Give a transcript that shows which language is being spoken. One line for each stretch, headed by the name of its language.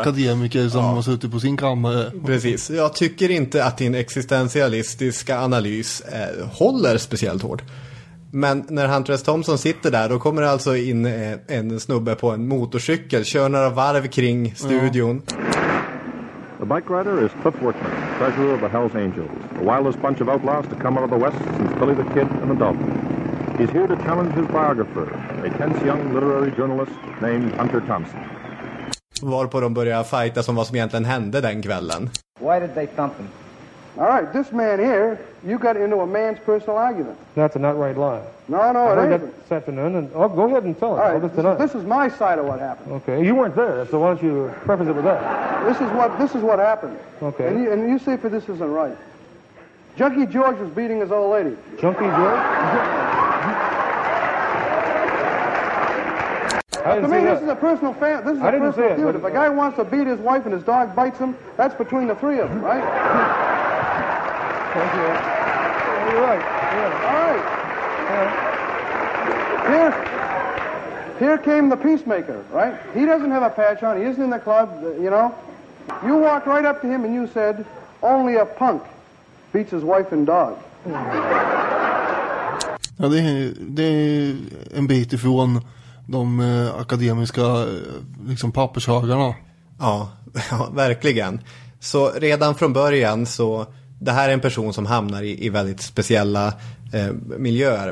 Swedish: akademiker som har suttit på sin kammare. Precis. Jag tycker inte att din existentialistiska analys håller speciellt hårt. Men när Hunter S. Thompson sitter där, då kommer det alltså in en snubbe på en motorcykel, kör några varv kring studion.
English: The bike rider is Cliff Workman, treasurer of the Hells Angels, the wildest bunch of outlaws to come out of the West since Billy the Kid and the Dalton. He's here to challenge his biographer, a tense young literary journalist named Hunter Thompson.
Swedish: Varpå de började fighta som vad som egentligen hände den kvällen.
English: Why did they thump him? All right, this man here, you got into a man's personal argument. That's an outright lie. No, it ain't. This afternoon, and oh, go ahead and tell it. All right, this is my side of what happened. Okay, you weren't there, so why don't you preface it with that? This is what happened. Okay. And you see if this isn't right. Junkie George was beating his old lady. Junkie George? To me, this is a personal family. This is a personal feud. If a guy wants to beat his wife and his dog bites him, that's between the three of them, right? Thank you. You're right. Yeah. All right. Yeah. Here came the peacemaker, right? He doesn't have a patch on. He isn't in the club, you know. You walked right up to him and you said, only a punk beats his wife and dog.
Swedish: Ja, det är en bit ifrån de akademiska liksom pappershögarna. Ja, ja, verkligen. Så redan från början så, det här är en person som hamnar i väldigt speciella miljöer.